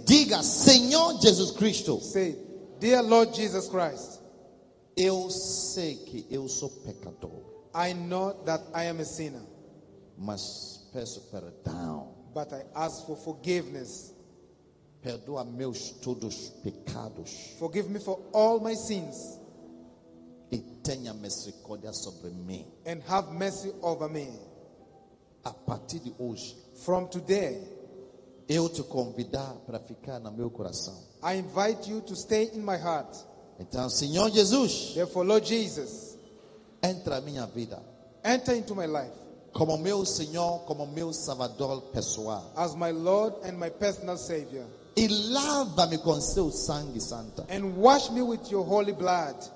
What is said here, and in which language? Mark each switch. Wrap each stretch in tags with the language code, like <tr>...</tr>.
<pt>Diga, Senhor Jesus Cristo.</pt> <en>Say, dear Lord Jesus Christ.</en> <pt>Eu sei que eu sou pecador.</pt> <en>I know that I am a sinner.</en> <pt>Mas peço perdão.</pt> <en>But I ask for forgiveness.</en> <pt>Perdoa meus todos pecados.</pt> <en>Forgive me for all my sins.</en> <pt>E tenha misericórdia sobre mim.</pt> <en>And have mercy over me.</en> <pt>A partir de hoje.</pt> <en>From today.</en> <pt>Eu te convido para ficar no meu coração.</pt> <en>I invite you to stay in my heart.</en> <pt>Então, Senhor Jesus.</pt> <en>Therefore, Lord Jesus.</en> <pt>Entra na minha vida.</pt> <en>Enter into my life.</en> <pt>Como meu Senhor, como meu Salvador pessoal.</pt> <en>As my Lord and my personal Savior.</en> <pt>E lava-me com seu sangue santo.</pt> <en>And wash me with your holy blood.</en>